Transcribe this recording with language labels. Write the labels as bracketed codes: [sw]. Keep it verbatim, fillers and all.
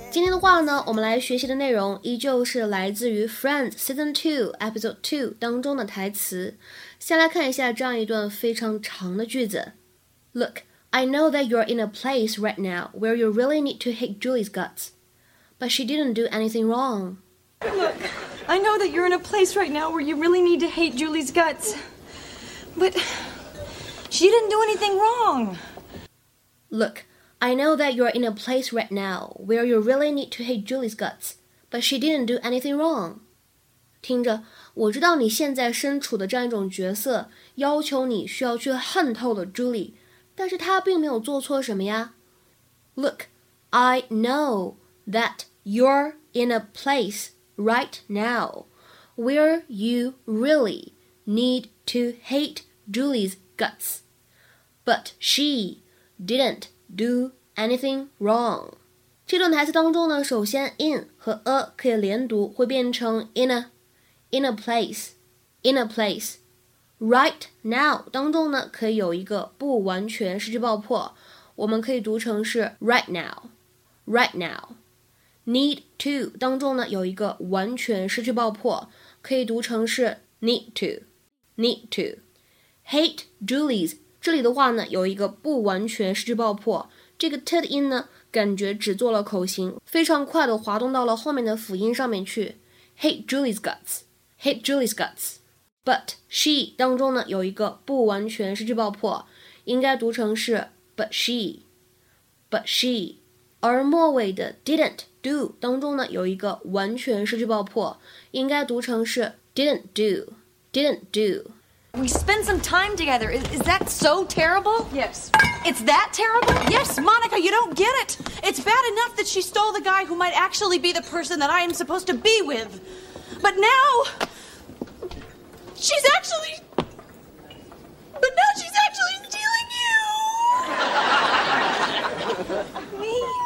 [zh] 今天的话呢，我们来学习的内容依旧是来自于 Friends Season two Episode two 当中的台词。先来看一下这样一段非常长的句子。 [en] Look, I know that you're in a place right now where you really need to hate Julie's guts, but she didn't do anything wrong. Look, I know that you're in a place right now where you really need to hate Julie's guts, but... She didn't do anything wrong. Look, I know that you're in a place right now where you really need to hate Julie's guts, but she didn't do anything wrong. [zh] 听着，我知道你现在身处的这样一种角色，要求你需要去恨透了 Julie， 但是她并没有做错什么呀。 [en] Look, I know that you're in a place right now where you really need to hate Julie's guts. But she didn't do anything wrong. [zh] 这段台词当中呢，首先 in 和 a 可以连读，会变成 in a, [en] in a place, in a place. [zh] Right now 当中呢，可以有一个不完全失去爆破，我们可以读成是 [en] right now, right now. [zh] Need to 当中呢，有一个完全失去爆破，可以读成是 [en] need to, need to. Hate Julie's. [zh] 这里的话呢，有一个不完全失去爆破，这个 t 的音呢，感觉只做了口型，非常快的滑动到了后面的辅音上面去。 [en] Hate Julie's guts, hate Julie's guts, but she [zh] 当中呢有一个不完全失去爆破，应该读成是 [en] but she, but she。 [zh] 而末尾的 didn't do 当中呢有一个完全失去爆破，应该读成是 [en] didn't do, didn't do。 We spend some time together. Is, is that so terrible? Yes. It's that terrible? Yes, Monica, you don't get it. It's bad enough that she stole the guy who might actually be the person that I am supposed to be with. But now... She's actually... But now she's actually stealing you! Me?